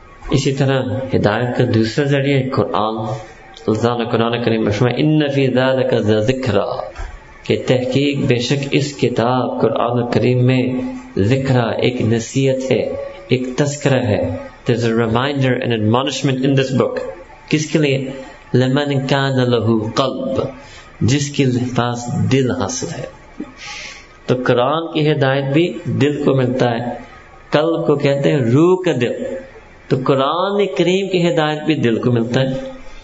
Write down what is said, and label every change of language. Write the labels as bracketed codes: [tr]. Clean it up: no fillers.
[ur] اسی طرح ہدایت کا دوسرا ذریعہ قرآن. اللہ تعالیٰ قرآن کریم میں [ar] ان فی ذلک ذکر, [ur] کہ تحقیق بے شک اس کتاب قرآن کریم میں ذکر, ایک نصیحت ہے, ایک تذکرہ ہے. [en] There's a reminder and admonishment in this book. [ur] کس کے لیے؟ [ar] لمن کان له قلب, [ur] جس کے پاس دل حاصل ہے. تو قرآن کی ہدایت بھی دل کو ملتا ہے. قلب کو کہتے ہیں روح کا دل, تو قرآن کریم کی ہدایت بھی دل کو ملتا ہے.